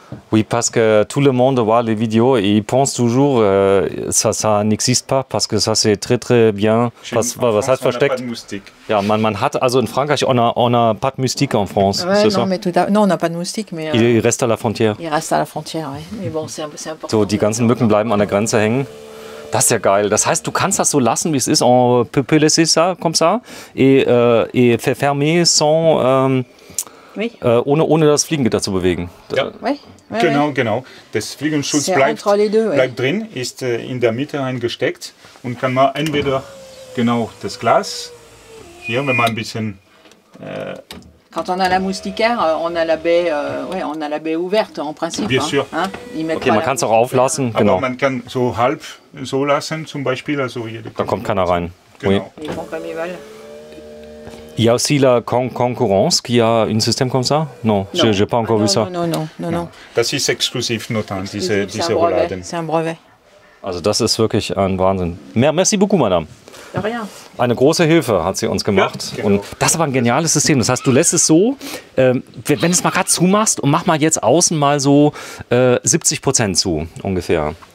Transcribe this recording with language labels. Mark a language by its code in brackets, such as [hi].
[fr] Oui, parce que tout le monde voit les vidéos et ils pensent toujours que ça n'existe pas, parce que ça c'est très très bien. [de] Was heißt versteckt? Ja, man hat also in Frankreich, [fr] on a pas de moustique en France. Ouais, non, mais tout à... non, on n'a pas de moustique, mais. Il reste à la frontière. Il reste à la frontière, oui. Mais bon, c'est important. [de] So, die ganzen Mücken bleiben an der Grenze hängen. Das ist ja geil. Das heißt, du kannst das so lassen, wie es ist. [fr] On peut laisser ça comme ça et faire fermer sans. [de] Ohne das Fliegengitter zu bewegen. Ja. Genau. Das Fliegenschutz bleibt drin, ist in der Mitte eingesteckt und kann man entweder genau das Glas hier, wenn man ein bisschen. [fr] Quand on a la moustiquaire, on a la baie, on a la baie ouverte en principe. Bien sûr. [de] Okay, man kann es auch auflassen. Aber genau. Man kann so halb so lassen, zum Beispiel. Also da kommt keiner rein. Genau. [fr] Il y a aussi la concurrence qui a un système comme ça? Non, je n'ai pas encore vu ça. Non. [de] Das ist exklusiv, notant, diese Rouladen. [fr] C'est un brevet. [de] Also das ist wirklich ein Wahnsinn. [fr] Merci beaucoup, madame. De rien. [de] Eine große Hilfe hat sie uns gemacht. Ja, genau. Und das ist aber ein geniales System. Das heißt, du lässt es so, wenn du es mal gerade zumachst und mach mal jetzt außen mal so 70% zu, ungefähr.